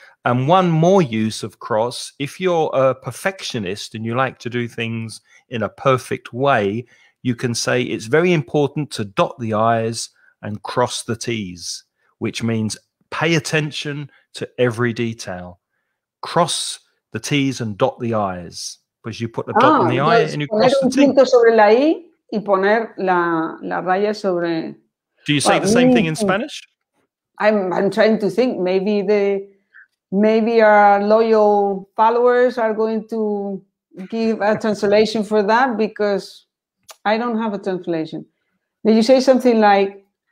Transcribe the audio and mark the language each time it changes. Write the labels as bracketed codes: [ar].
[en] And one more use of cross, if you're a perfectionist and you like to do things in a perfect way, you can say it's very important to dot the I's and cross the T's, which means pay attention to every detail. Cross the T's and dot the I's, because you put the dot on the I and you cross the T. [es] Poner un punto sobre la I y poner la raya sobre... [en] Do you say the same thing in Spanish? I'm trying to think. Maybe our loyal followers are going to give a translation for that, because I don't have a translation. Did you say something like...